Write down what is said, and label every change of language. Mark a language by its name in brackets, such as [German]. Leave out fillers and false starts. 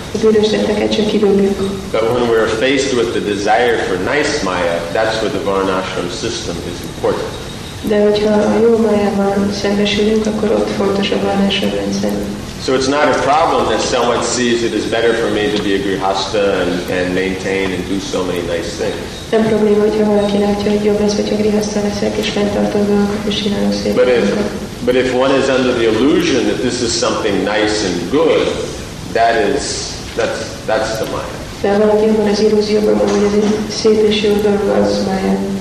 [English] But when we are faced with the desire for nice Maya, that's where the Varnashram system is important. So it's not a problem that someone sees it is better for me to be a grihastha and maintain and do so many nice things. [Hungarian] Nem probléma, hogyha valaki látja, hogy jobb lesz, hogyha grihastha leszek és fenntartom dolgokat és csinálom szépen. [English] But if one is under the illusion that this is something nice and good, that's the Maya. [Hungarian] De valaki abban az illúzióban van, hogy ez egy szép és jó dolog, az Maya.